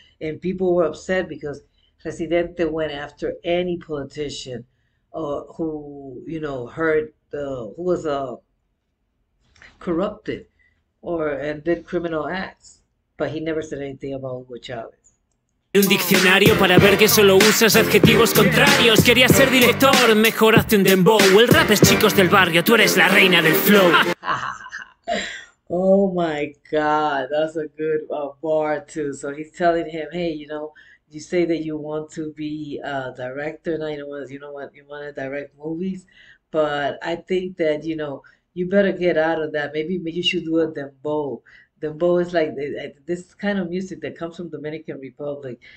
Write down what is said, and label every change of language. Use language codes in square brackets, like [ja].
[en] And people were upset because Residente went after any politician who, you know, hurt the, who was corrupted or and did criminal acts. But he never said anything about Hugo Chavez. [es] Un diccionario para ver que solo usas adjetivos contrarios. Quería ser director, mejor hazte un dembow. El rap es chicos del barrio, tú eres la reina del flow. [en] Oh my God, that's a good bar too. So he's telling him, hey, you know, you say that you want to be a director now, you know what, you want to direct movies, but I think that, you know, you better get out of that. Maybe you should do a dembow. Dembow is like this kind of music that comes from Dominican Republic.